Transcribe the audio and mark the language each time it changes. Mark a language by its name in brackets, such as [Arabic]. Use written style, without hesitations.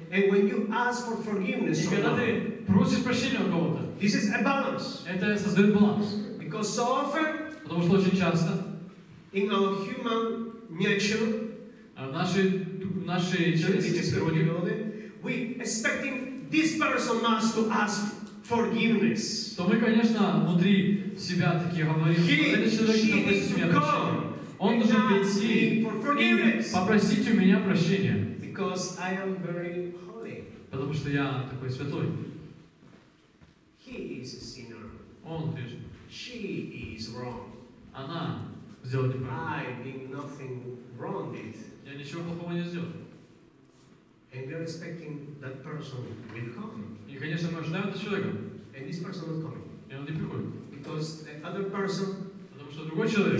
[English] and when you ask for forgiveness, [Russian] и когда ты просишь прощения у кого-то, [English] this is a balance. [Russian] Это создает баланс. [English] Because so often, [Russian] потому что очень часто, [English] in our human nature, [Russian] в нашей человеческой природе, [English] we expecting this person must to ask forgiveness. [Russian] То мы, конечно, внутри себя такие говорим, этот человек должен просить меня прощения. Он должен прийти и попросить у меня прощения. [English] Because I am very holy. [Russian] Потому что я такой святой. [English] He is a sinner. [Russian] Он грешник. [English] She is wrong. [Russian] Она сделала неправильно. [English] I did nothing wrong it. [Russian] Я ничего плохого не сделал. [English] And we are expecting that person will come. [Russian] И, конечно, мы ожидаем этого человека. [English] And this person not coming. [Russian] И он не приходит. [English] Because the other person. [Russian] Потому что другой человек,